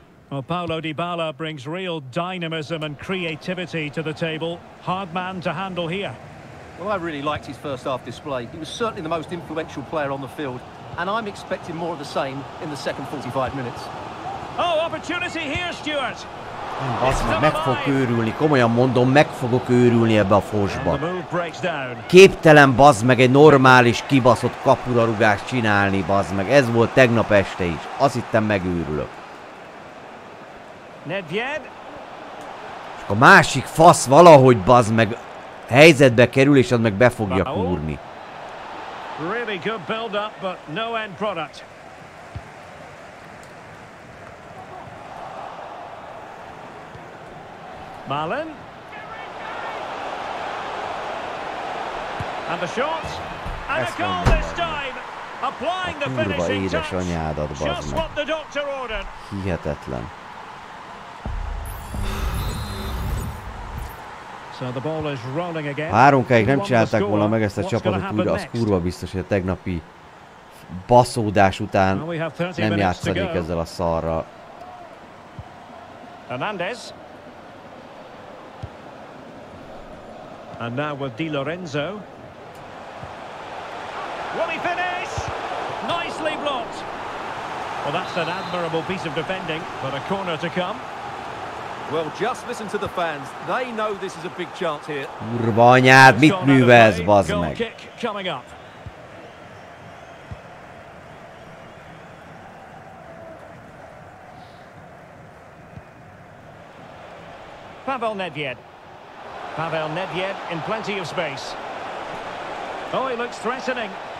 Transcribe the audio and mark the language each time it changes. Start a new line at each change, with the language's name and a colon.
English: Well, Paulo Dybala brings real dynamism and creativity to the table. Hard man to handle here. Well, I really liked his first half display. He was certainly the most influential player on the field. And I'm expecting more of the same in the second 45 minutes. Oh, opportunity here, Stuart.
Hungarian: Basszus, meg fog őrülni, komolyan mondom, meg fogok őrülni ebbe a fosba. Képtelen, bazd meg, egy normális, kibaszott kapurarugást csinálni, bazd meg. Ez volt tegnap este is. Azt hittem, megőrülök. Nedved. És a másik fasz valahogy, bazd meg, helyzetbe kerül, és az meg be fogja kúrni.
English: Really good build-up, but no end product. Malin. And the shot. And
Hungarian: ezt a
English: goal this time. Applying the
Hungarian: kurva
English: finishing
Hungarian: édes
English: touch. Just what the doctor ordered.
Hungarian: Hihetetlen.
English: So the ball is rolling again.
Hungarian: Háromkáig nem csinálták volna meg ezt a csapatot, úgyhogy az kurva biztos, hogy a tegnapi baszódás után nem játszanék ezzel a szarral.
English: Hernandez. And now with Di Lorenzo. Will he finish? Nicely blocked. Well, that's an admirable piece of defending, but a corner to come. Well, just listen to the fans. They know this is a big chance here.
Hungarian: Kurva anyád, mit művelsz, bazd meg?
English: Pavel Nedved. Pavel Nedved in plenty of space. Oh, he looks threatening.